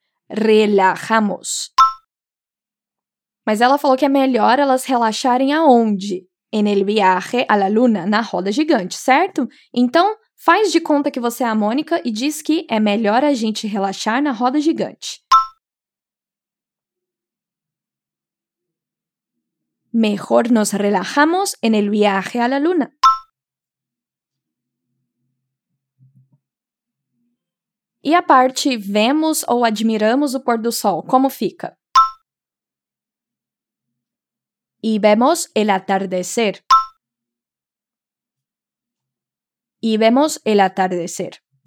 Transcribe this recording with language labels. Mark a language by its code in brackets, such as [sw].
[es] Relajamos. [pt] Mas ela falou que é melhor elas relaxarem aonde? [es] En el viaje a la luna, [pt] na roda gigante, certo? Então, faz de conta que você é a Mônica e diz que é melhor a gente relaxar na roda gigante. [es] Mejor nos relajamos en el viaje a la luna. [pt] E a parte vemos ou admiramos o pôr do sol, como fica? [es] Y vemos el atardecer. Y vemos el atardecer.